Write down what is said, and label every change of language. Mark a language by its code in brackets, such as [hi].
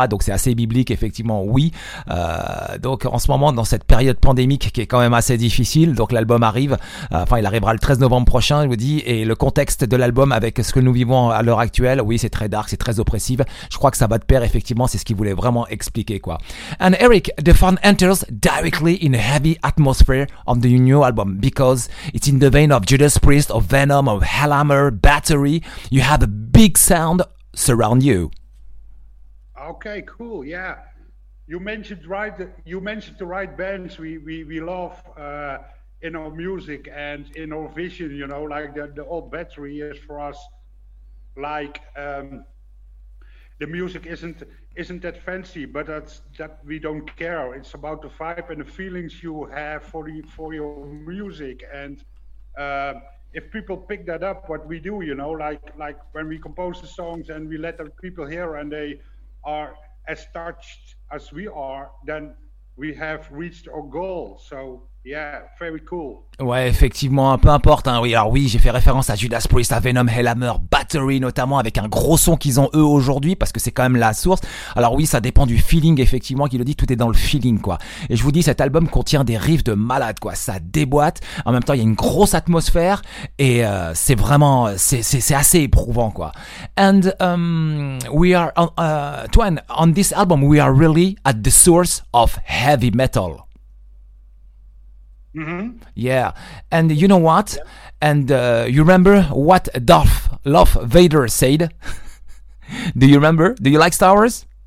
[fr] Donc c'est assez biblique, effectivement, oui. Donc en ce moment, dans cette période pandémique qui est quand même assez difficile, donc l'album arrive, il arrivera le 13 novembre prochain, je vous dis, et le contexte de l'album avec ce que nous vivons à l'heure actuelle, oui, c'est très dark, c'est très oppressif. Je crois que ça va de pair, effectivement, c'est ce qu'il voulait vraiment expliquer, quoi. [en] And Eric, the fun enters directly in a heavy atmosphere on the new album because it's in the vein of Judas Priest, of Venom, of Hellhammer, Battery. You have a big sound surround you. Okay, cool. Yeah, you mentioned the right bands. We love in our music and in our vision. You know, like the old battery is for us. Like the music isn't that fancy, but that we don't care. It's about the vibe and the feelings you have for your music. And if people pick that up, what we do, you know, like when we compose the songs and we let the people hear and they are as touched as we are, then we have reached our goal. So yeah, very cool. [fr] Ouais, effectivement, peu importe, hein. Oui, alors oui, j'ai fait référence à Judas Priest, à Venom, Hellhammer, Battery notamment, avec un gros son qu'ils ont eux aujourd'hui, parce que c'est quand même la source. Alors oui, ça dépend du feeling, effectivement, qui le dit, tout est dans le feeling, quoi. Et je vous dis, cet album contient des riffs de malade, quoi. Ça déboîte. En même temps, il y a une grosse atmosphère, et c'est vraiment, c'est assez éprouvant, quoi. [en] And we are, Twan, on this album, we are really at the source of heavy metal. Mm-hmm. Yeah, and you know what? Yeah. And you remember what Darth Love Vader said? Do you remember? Do you like Star Wars?